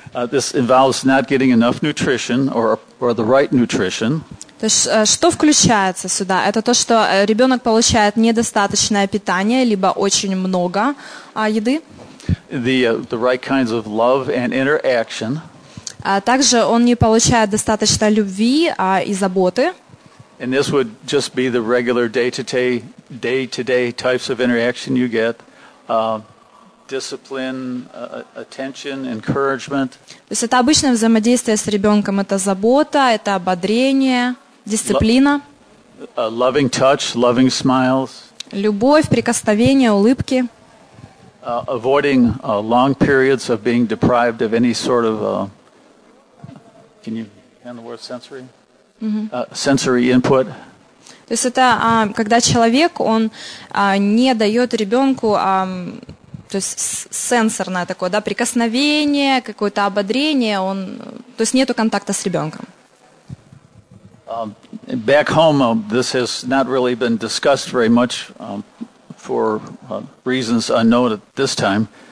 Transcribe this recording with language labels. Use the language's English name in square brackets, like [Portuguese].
[English] This involves not getting enough nutrition or the right nutrition. [Russian] То есть что включается сюда? Это то, что ребенок получает недостаточное питание либо очень много еды. [English] The right kinds of love and interaction. [Russian] Также он не получает достаточно любви и заботы. [English] And this would just be the regular day-to-day types of interaction you get. Discipline, attention, encouragement. [Russian] То есть это обычное взаимодействие с ребенком. Это забота, это ободрение, дисциплина. [English] Loving touch, loving smiles. [Russian] Любовь, прикосновение, улыбки. [English] Avoiding long periods of being deprived of any sort of can you handle the word sensory? Sensory input. [Russian] То есть это когда человек, он не дает ребенку. То есть сенсорное такое, да, прикосновение, какое-то ободрение, он, то есть нету контакта с ребенком. [English] Back home, this has not really been discussed very much for reasons unknown at this time.